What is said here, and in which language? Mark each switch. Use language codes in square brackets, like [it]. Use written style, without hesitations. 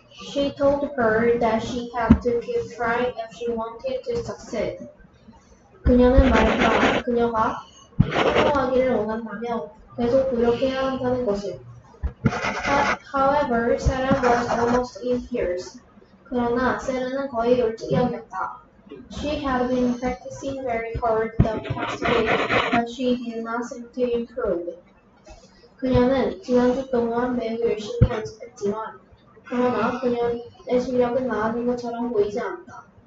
[en] She told her that she had to keep trying if she wanted to succeed. [ko] 그녀는 말했다. 그녀가 성공하기를 원한다면 계속 노력해야 한다는 것을. [en] However, Sarah was almost in tears. [ko] 그러나 세라는 거의 울적이었다. [en] She had been practicing very hard the past week, but she did not seem to improve. [ko] 그녀는 지난주 동안 매우 열심히 연습했지만 그러나 그녀의 실력은 나아진 것처럼 보이지 않다.